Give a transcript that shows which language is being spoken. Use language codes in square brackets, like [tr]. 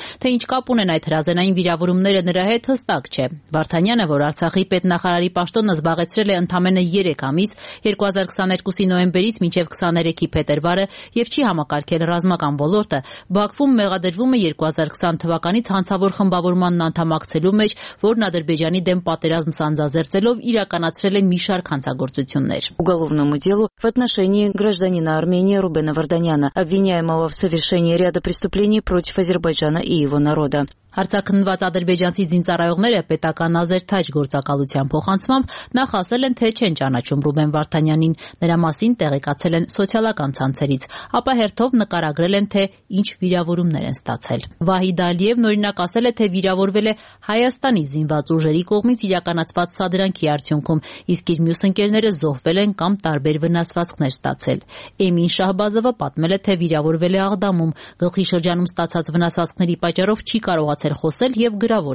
[hy] Թե ինչ կապ ունեն այդ հրազենային վիրավորումները նրա հետ, հստակ չէ։ Վարդանյանը, որ Արցախի պետնախարարի պաշտոնը զբաղեցրել է ընդամենը 3 ամիս, 2022-ի նոյեմբերից մինչև 23-ի փետրվարը, եւ չի համակարգել ռազմական ոլորտը, Բաքվում մեղադրվում է 2020 թվականի ցանցավոր բավարարմանն անդամակցելու մեջ, որն Ադրբեջանի դեմ պատերազմ սանձազերծելով իրականացրել է մի շարք հանցագործություններ։ [ru] Уголовному делу в отношении гражданина Армении Рубена Варданяна, обвиняемого в совершении ряда преступлений против Азербайджана и его народа. [hy] Արձակնված ադրբեջանցի զինծառայողները պետական ազերթաճ գործակալության փոխանցումը նախ ասել են, թե չեն ճանաչում Ռուբեն Վարդանյանին, նրա մասին տեղեկացել են սոցիալական ցանցերից, ապա հերթով նկարագրել են, թե ինչ վիրավորումներ են ստացել։ Վահիդ Ալիևն օրինակ ասել է, թե վիրավորվել է Հայաստանի զինված ուժերի կողմից իրականացված սադրանքի արդյունքում, իսկ իր մյուս ընկերները զոհվել են կամ տարբեր վնասվածքներ ստացել։ Էմին Շահբազովը պատմել է, թե վիրավորվել է Աղդամում, գլխի շրջանում ստացած վնասվածքների պատճառով չի կարող